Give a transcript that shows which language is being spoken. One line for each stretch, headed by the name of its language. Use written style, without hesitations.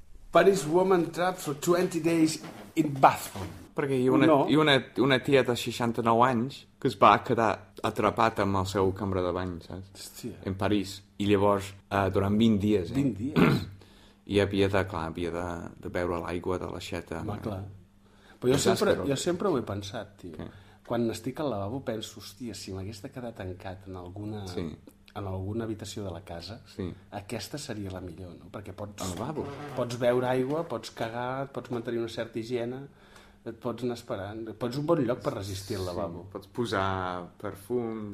English: Paris woman trapped for 20 days in bathroom.
Catalan: Perquè hi ha una tia de 69 anys que es va quedar atrapat amb el seu cambra de bany, saps? Hòstia. En París. I llavors, durant 20 dies, eh? 20 dies. I havia de, clar, havia de beure l'aigua de l'aixeta. Va, clar. Però jo sempre ho he pensat, tio. Què? Quan estic al lavabo penso, hòstia, si m'hagués de quedar tancat en alguna... Sí. En alguna habitació de la casa, sí. Aquesta seria la millor, no? Perquè pots beure aigua, pots cagar, pots mantenir una certa higiene, et pots anar esperant. Pots un bon lloc per resistir el lavabo. Pots posar perfums...